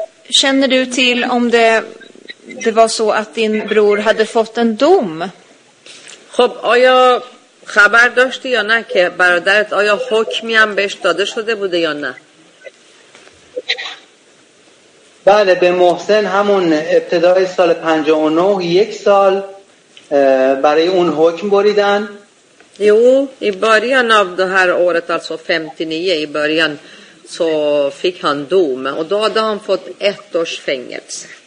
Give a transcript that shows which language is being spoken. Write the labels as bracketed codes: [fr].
[sv] Känner du till om det var så att din bror hade fått en dom? [fa] خب آیا خبر داشتی یا نه که برادرت آیا حکمی هم بهش داده شده بوده یا نه؟ بله به محسن همون ابتدای سال 59 یک سال برای اون حکم بریدن. [sv] Jo, i början av det här året, alltså 59 i början, så fick han dom och då hade han fått ett års fängelse.